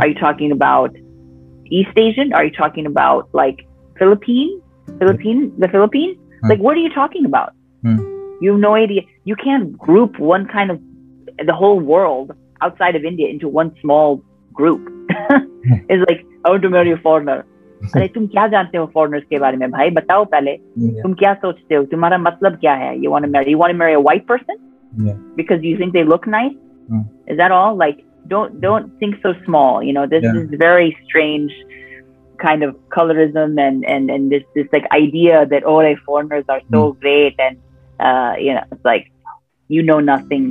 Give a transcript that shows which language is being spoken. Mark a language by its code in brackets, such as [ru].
[en] Are you talking about East Asian? Are you talking about like the Philippines? Mm. Like, what are you talking about? Mm. You have no idea. You can't group one kind of the whole world outside of India into one small group. It's like, I want to marry a foreigner. [hi] अरे तुम क्या जानते हो foreigners के बारे में भाई, बताओ पहले. तुम क्या सोचते हो, तुम्हारा मतलब क्या है? [en] You want to marry a white person? Yeah. Because you think they look nice? Mm. Is that all? Like, don't think so small, you know. This yeah. is very strange kind of colorism and this like idea that foreigners are so great, and you know, it's like, you know nothing.